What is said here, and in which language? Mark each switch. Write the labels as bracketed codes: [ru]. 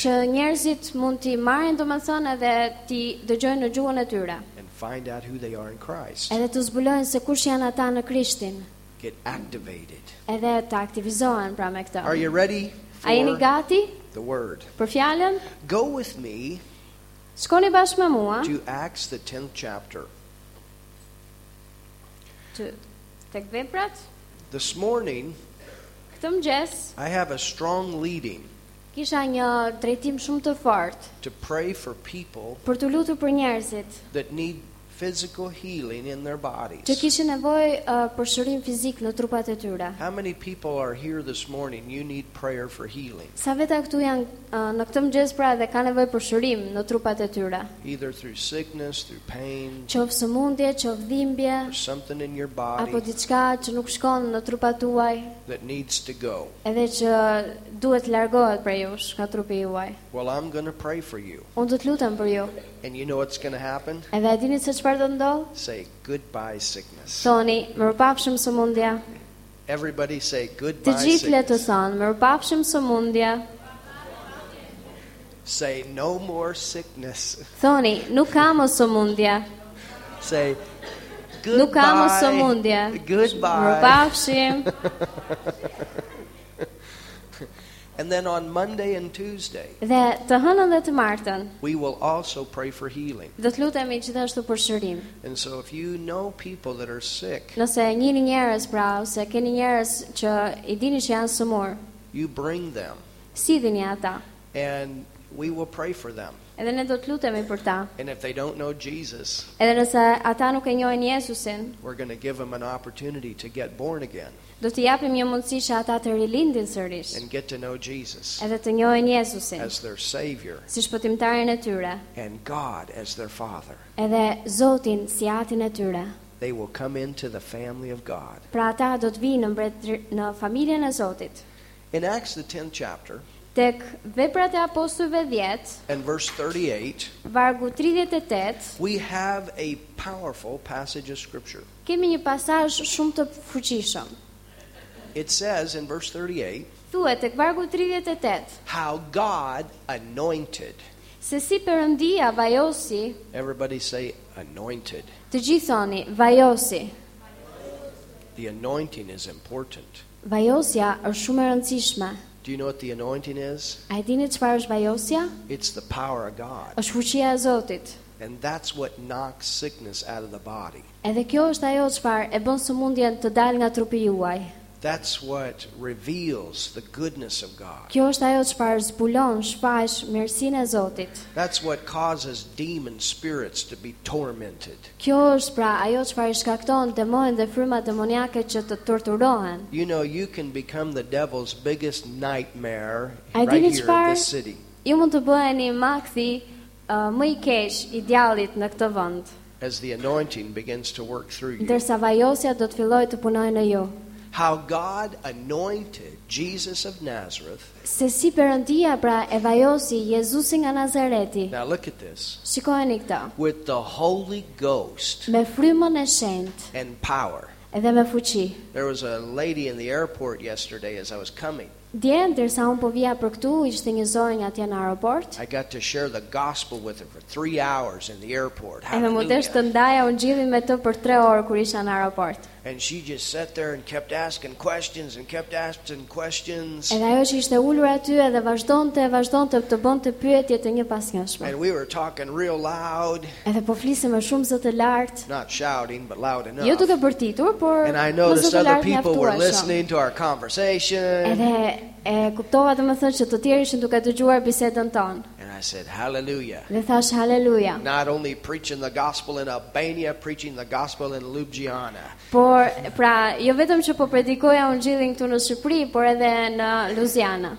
[sq] Që njerëzit mund t'i marrin domethënë edhe t'i dëgjojnë në gjuhën e tyre. [en] Find out who they are in Christ. [sq] Edhe të zbulojnë se kush janë ata në Krishtin. [en] Get activated. [sq] Edhe të aktivizohen pra me këtë. [en] Are you ready? [sq] A jeni gati? [en] The word. [sq] Për fjalën? [en] Go with me. [sq] Shkoni bashkë me mua. [en] To Acts the 10th chapter. [sq] Tek veprat? [en] This morning. [sq] Këtë mëngjes. [en] I have a strong leading. [sq] Kisha një drejtim shumë të fortë. [en] To pray for people. [sq] Për të lutur për njerëzit. [en] That need physical healing in their bodies. [sq] Që kishin nevojë për shërim fizik në trupat e tyre. [en] How many people are here this morning you need prayer for healing? [sq] Sa veta këtu janë në këtë mëngjes pra dhe kanë nevojë për shërim në trupat e tyre. [en] Either through sickness, through pain. [sq] Qoftë sëmundje, qoftë dhimbje. [en] Something in your body. [sq] Apo diçka që nuk shkon në trupat tuaj. [en] That needs to go. [sq] Edhe që duhet largohet prej jush nga trupi juaj. [en] Well, I'm going to pray for you. [sq] Unë do të lutem për ju. [en] And you know what's going to happen? [sq] Edhe a dini se çfarë do të ndodhë? [en] Say goodbye sickness. [sq] Thoni, mirupafshim sëmundje. [en] Everybody say goodbye. [sq] Të gjithë le të thonë, mirupafshim sëmundje. [en] Say no more sickness. [sq] Thoni, nuk kam sëmundje. [en] Say [sq] Nuk kam sëmundje. [en] Goodbye. And then on Monday and Tuesday. [sq] Dhe të hënën dhe të martën. [en] We will also pray for healing. [sq] Do të lutemi gjithashtu për shërim. [en] And so if you know people that are sick. [sq] Nëse jeni njerëz pra ose keni njerëz që i dini që janë sëmurë. [en] You bring them. [sq] Sidhni ata. [en] And we will pray for them. [sq] Edhe ne do të lutemi për ta. [en] And if they don't know Jesus. [sq] Edhe nëse ata nuk e njohin Jezusin. [en] We're going to give them an opportunity to get born again. [sq] Do t'i japim një mundësi që ata të rilindin sërish. [en] And get to know Jesus. [sq] Edhe të njohin Jezusin. [en] As their savior. [sq] Si shpëtimtarin e tyre. [en] And God as their father. [sq] Edhe Zotin si atin e tyre. [en] They will come into the family of God. [sq] Pra ata do të vinë në familjen e Zotit. [en] In Acts the 10th chapter. [sq] Tek Veprat e Apostujve 10 [en] and verse 38, [sq] vargu 38, [en] we have a powerful passage of scripture. [sq] Kemi një pasazh shumë të fuqishëm. [en] It says in verse 38, [sq] thuhet tek vargu 38, [en] how God anointed. [sq] Se si Perëndia vajosi. [en] Everybody say anointed. [sq] Të gjithë thoni vajosi. [en] The anointing is important. [sq] Vajosja është shumë e rëndësishme. [en] Do you know what the anointing is? [sq] Ai dini çfarë është vajosja? [en] It's the power of God. [sq] Është fuqia e Zotit. [en] And that's what knocks sickness out of the body. [sq] Edhe kjo është ajo çfarë e bën sëmundjen të dalë nga trupi juaj. [en] That's what reveals the goodness of God. [sq] Kjo është ajo çfarë zbulon, shpash mirësinë e Zotit. [en] That's what causes demon spirits to be tormented. [sq] Kjo është pra ajo çfarë shkakton demonë dhe fryma demoniake që të torturohen. [en] You know, you can become the devil's biggest nightmare right here in the city. [sq] Ju mund të bëheni makthi më i keq i djallit në këtë vend. [en] As the anointing begins to work through you. [sq] Ndërsa vajosja do të fillojë të punojë në ju. [en] How God anointed Jesus of Nazareth. [sq] Se si Perëndia pra e vajosi Jezusin nga Nazareti. [en] Now look at this. [sq] Shikojeni këtë. [en] With the Holy Ghost. [sq] Me frymën e shenjtë. [en] And power. [sq] Edhe me fuqi. [en] There was a lady in the airport yesterday as I was coming. [sq] Dje ndërsa un po vija për këtu, ishte një zonjë atje në aeroport. [en] I got to share the gospel with her for 3 hours in the airport. [sq] Edhe më desh të ndaja ungjillin me të për 3 orë kur isha në aeroport. [en] And she just sat there and kept asking questions and kept asking questions. [sq] Edhe ajo që ishte ulur aty edhe vazhdonte të bënte pyetje të një pasnjëshme. [en] And we were talking real loud. [sq] Edhe po flisim me shumë zë të lart. [en] Not shouting but loud enough. [sq] Jo duke bërtitur, por [en] and I noticed other people were listening to our conversation. [sq] Edhe kuptova domethënë që të tjerë ishin duke dëgjuar bisedën tonë. [en] I said hallelujah. [sq] Dhe thash hallelujah. [en] Not only preaching the gospel in Albania, preaching the gospel in Ljubljana. [sq] Por pra, jo vetëm që po predikoja ungjillin këtu në Shqipëri, por edhe në Ljubljana.